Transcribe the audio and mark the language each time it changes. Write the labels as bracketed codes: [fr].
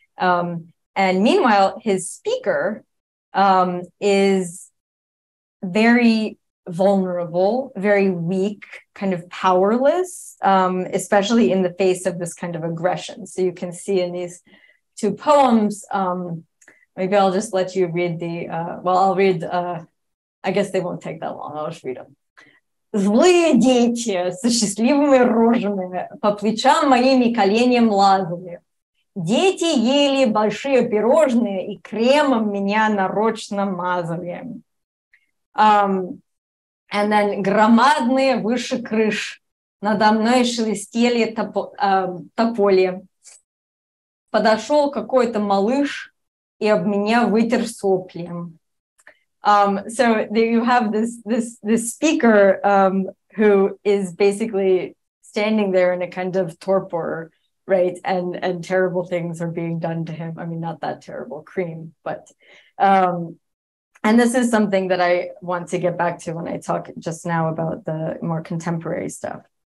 [en] And meanwhile, his speaker is very vulnerable, very weak, kind of powerless, especially in the face of this kind of aggression. So you can see in these 2 poems, maybe I'll just let you read the, I guess they won't take that long, I'll just read them. [ru] Злые дети со счастливыми рожами по плечам моими коленям лазали. Дети ели большие пирожные и кремом меня нарочно мазали. [en] And then [ru] громадные выше крыш надо мной шелестели тополи. Подошел какой-то малыш и об меня вытер сопли. [en] So there you have this speaker who is basically standing there in a kind of torpor, right? And terrible things are being done to him. I mean, not that terrible, cream, but. And this is something that I want to get back to when I talk just now about the more contemporary stuff.